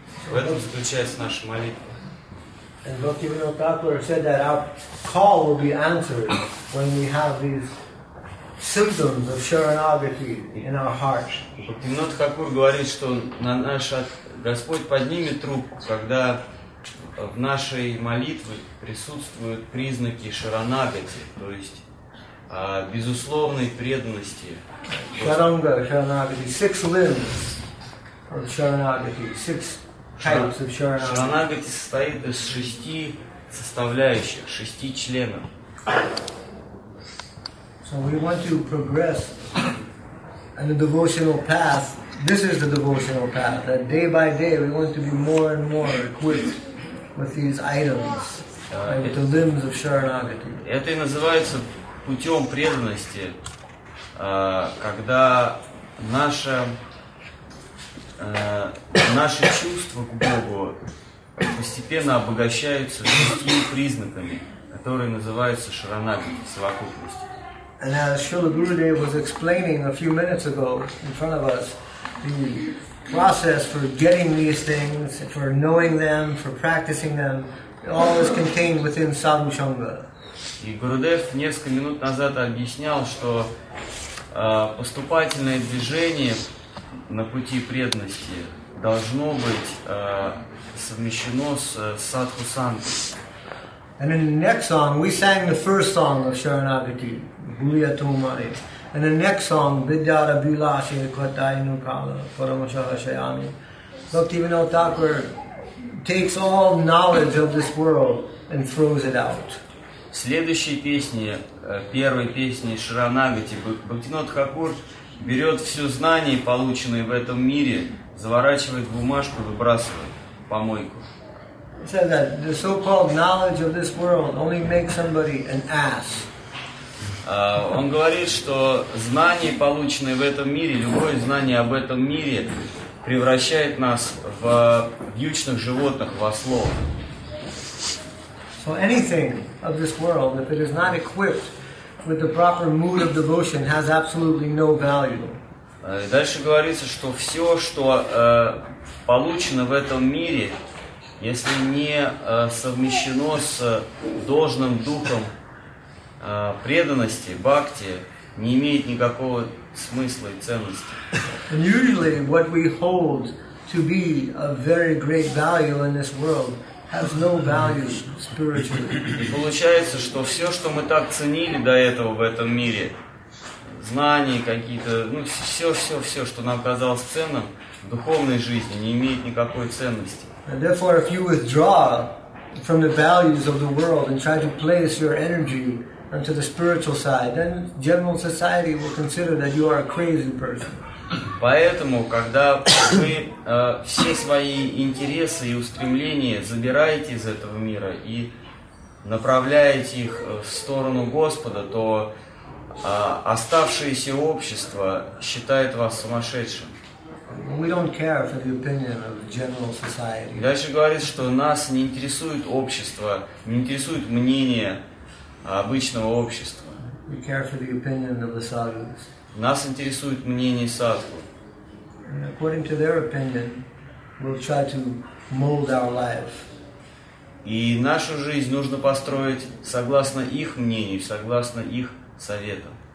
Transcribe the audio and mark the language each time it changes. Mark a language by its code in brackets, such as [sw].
[ru] В этом заключается наша молитва. [en] And Bhaktivinoda Thakur said that our call will be answered when we have these symptoms of Sharanagati in our heart. [ru] Бхактивинода Такур говорит, что на наш Господь поднимет трубку, когда в нашей молитве присутствуют признаки Sharanagati, то есть безусловной преданности. [en] Charanga Sharanagati, six limbs of Sharanagati, six types of Sharanagati. [ru] Sharanagati состоит из шести составляющих, шести членов. [en] So we want to progress in the devotional path. This is the devotional path. That day by day we want to be more and more equipped with these items, like with the limbs of Sharanagati. [ru] Это и называется путем преданности, когда наши чувства к Богу постепенно обогащаются шестью признаками, которые называются Sharanagati, совокупность. [en] And as Srila Gurudev was explaining a few minutes ago in front of us, the process for getting these things, for knowing them, for practicing them, all is contained within Sadhu Sangha. [ru] И Гурудев несколько минут назад объяснял, что поступательное движение на пути преданности должно быть совмещено с Садху Сангхой. [en] And in the next song, we sang the first song of Sharanagati. And the next song, [bn] Vidyara Bilashi Kvatayinu Kala Paramashara Shayami. [en] Bhaktivinoda Thakur takes all knowledge of this world and throws it out. [ru] В следующей песне, первой песне Sharanagati, Бхактивинода Такур берет все знание, полученное в этом мире, заворачивает в бумажку, выбрасывает в помойку. [en] He said that the so-called knowledge of this world only makes somebody an ass. [ru] Он говорит, что знание, полученное в этом мире, любое знание об этом мире, превращает нас в вьючных животных, в ослов. [en] So anything of this world, if it is not equipped with the proper mood of devotion, has absolutely no value. [ru] Дальше говорится, что все, что получено в этом мире, если не совмещено с должным духом преданности, бхакти, не имеет никакого смысла и ценности. [en] And usually what we hold to be a very great value in this world has no value spiritually. [ru] И получается, что все, что мы так ценили до этого в этом мире, знания какие-то, ну все, что нам казалось ценным в духовной жизни, не имеет никакой ценности. [en] And therefore, if you withdraw from the values of the world and try to place your energy onto the spiritual side, then general society will consider that you are a crazy person. [ru] Поэтому, когда вы все свои интересы и устремления забираете из этого мира и направляете их в сторону Господа, то оставшееся общество считает вас сумасшедшим. [en] We don't care for the opinion of general society. [ru] Дальше говорит, что нас не интересует общество, не интересует мнение обычного общества. [en] We care for the opinion of the sadhus. [ru] Нас интересует мнение садху. [en] And according to their opinion, we'll try to mold our life. [ru] И нашу жизнь нужно построить согласно их мнению, согласно их советам.